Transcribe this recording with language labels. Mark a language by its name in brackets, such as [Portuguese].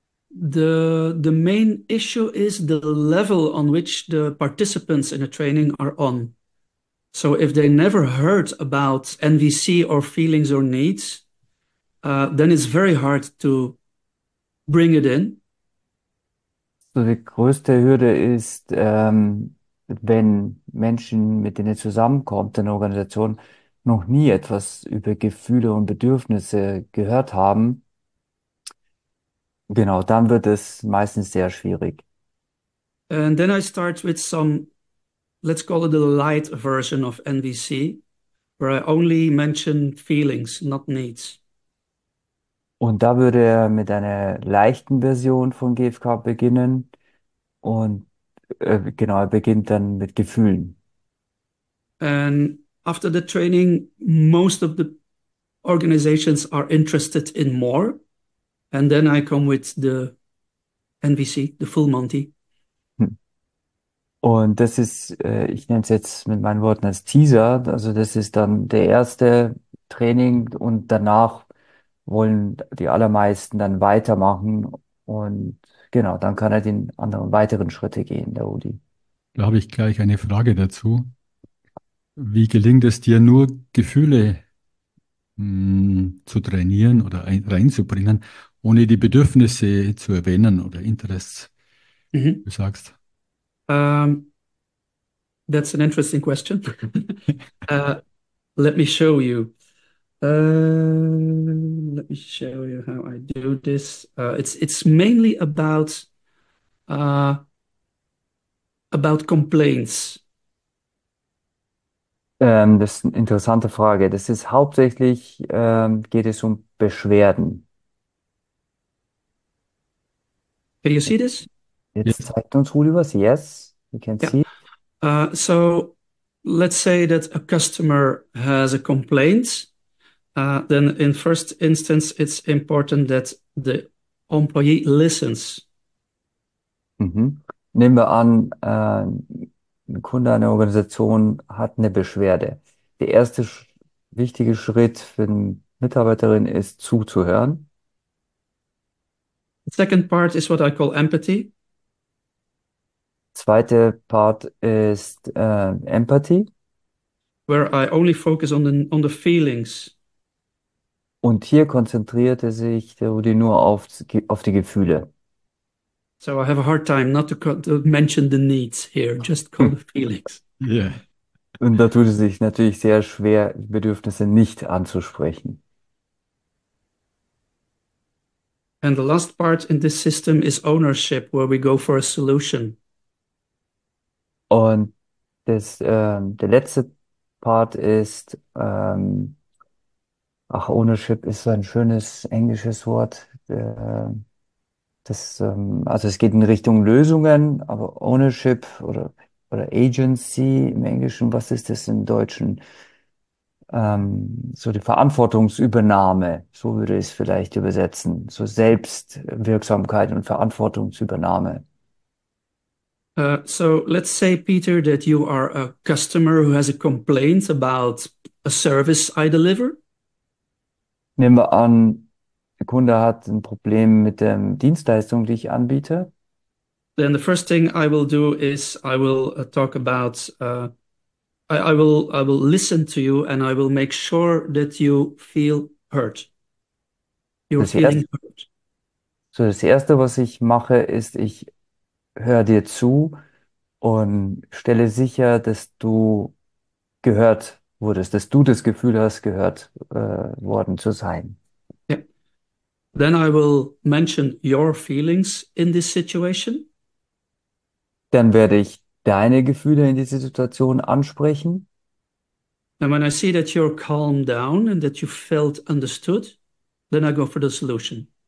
[English] The main issue is the level on which the participants in a training are on. So if they never heard about NVC or feelings or needs, then it's very hard to bring it in. [German] So die größte Hürde ist, wenn Menschen, mit denen zusammenkommt, in der Organisation noch nie etwas über Gefühle und Bedürfnisse gehört haben, genau, dann wird es meistens sehr schwierig. [English] And then I start with some, let's call it a light version of NVC, where I only mention feelings, not needs. [German] Und da würde er mit einer leichten Version von GFK beginnen. Und genau, er beginnt dann mit Gefühlen. [English] And after the training, most of the organizations are interested in more. And then I come with the NVC, the full Monty. [German] Und das ist, ich nenne es jetzt mit meinen Worten als Teaser. Also das ist dann der erste Training und danach wollen die allermeisten dann weitermachen und genau, dann kann er den anderen weiteren Schritte gehen, der Udi. Da habe ich gleich eine Frage dazu. Wie gelingt es dir nur, Gefühle zu trainieren oder reinzubringen, ohne die Bedürfnisse zu erwähnen oder Interests, du sagst? [English] That's an interesting question. let me show you. Let me show you how I do this. It's mainly about complaints. [German] Das ist eine interessante Frage. Das ist hauptsächlich, geht es um Beschwerden. [English] Can you see this? [German] Jetzt zeigt uns Rudi was. [English] Yes, you can see. So let's say that a customer has a complaint. Then in first instance, it's important that the employee listens. [German] Nehmen wir an, ein Kunde einer Organisation hat eine Beschwerde. Der erste sch wichtige Schritt für die Mitarbeiterin ist zuzuhören. [English] Second part is what I call empathy. [German] Zweite Part ist Empathie. [English] Where I only focus on the feelings. [German] Und hier konzentrierte sich der Rudi nur auf die Gefühle. [English] So I have a hard time not to mention the needs here, just call the feelings. [German] Ja. Und da tut es sich natürlich sehr schwer, die Bedürfnisse nicht anzusprechen. [English] And the last part in this system is ownership, where we go for a solution. [German] Und der letzte Part ist, ach, Ownership ist so ein schönes englisches Wort. Also es geht in Richtung Lösungen, aber Ownership oder Agency im Englischen, was ist das im Deutschen? So die Verantwortungsübernahme, so würde ich es vielleicht übersetzen. So Selbstwirksamkeit und Verantwortungsübernahme. [English] So let's say, Peter, that you are a customer who has a complaint about a service I deliver. [German] Nehmen wir an, der Kunde hat ein Problem mit der Dienstleistung, die ich anbiete. [English] Then the first thing I will do is I will talk about I will listen to you and I will make sure that you feel hurt. You're feeling hurt. [German] Das Erste, was ich mache, ist, ich höre dir zu und stelle sicher, dass du gehört wurdest, dass du das Gefühl hast, gehört worden zu sein. [English] Then I will mention your feelings in this situation. [German] Dann werde ich deine Gefühle in dieser Situation ansprechen. [English] And when I see that you're calmed down and that you felt understood, then I go for the solution.